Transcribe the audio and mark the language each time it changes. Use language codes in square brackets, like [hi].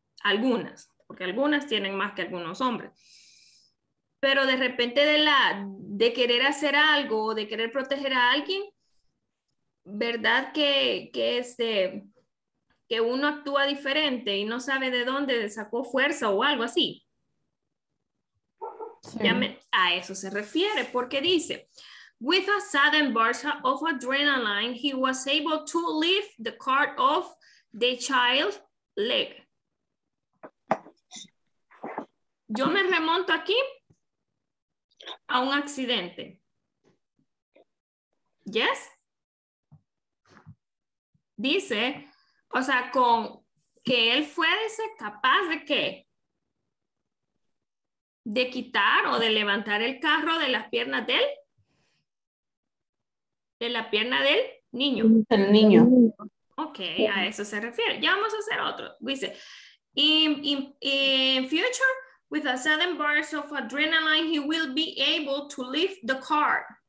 [es] Algunas, porque algunas tienen más que algunos hombres. Pero de repente de querer hacer algo o de querer proteger a alguien, ¿verdad que uno actúa diferente y no sabe de dónde sacó fuerza o algo así? Sí. A eso se refiere, porque dice, [en] with a sudden burst of adrenaline, he was able to lift the cart off the child's leg. [es] Yo me remonto aquí a un accidente. [en] Yes? [es] Dice, o sea, con que él fuese capaz de qué? De quitar o de levantar el carro de las piernas del niño. El niño. Ok, a eso se refiere. Ya vamos a hacer otro. [en] Dice, in future, with a sudden burst of adrenaline, he will be able to lift the car.